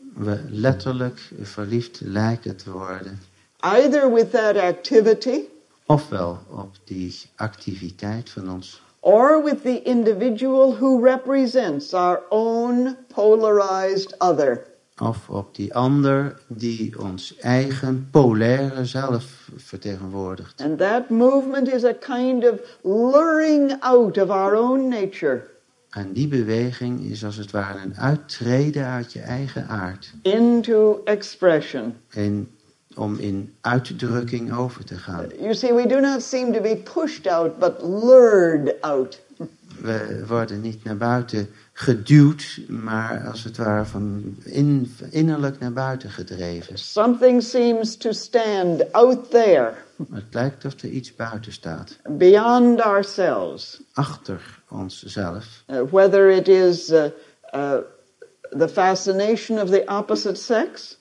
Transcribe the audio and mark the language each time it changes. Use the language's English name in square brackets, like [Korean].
[Dutch] We letterlijk verliefd lijken te worden. [English] Either with that activity. [Dutch] Ofwel op die activiteit van ons. [English] Or with the individual who represents our own polarized other. [Dutch] Of op die ander die ons eigen polaire zelf vertegenwoordigt. [English] And that movement is a kind of luring out of our own nature. [Dutch] En die beweging is als het ware een uittreden uit je eigen aard. [English] Into expression. [Dutch] In om in uitdrukking over te gaan. [English] You see, we do not seem to be pushed out, but lured out. [Dutch] We worden niet naar buiten geduwd, maar als het ware van innerlijk naar buiten gedreven. [English] Something seems to stand out there. [Dutch] Het lijkt of er iets buiten staat. [English] Beyond ourselves. [Dutch] Achter onszelf. [English] Whether it is the fascination of the opposite sex.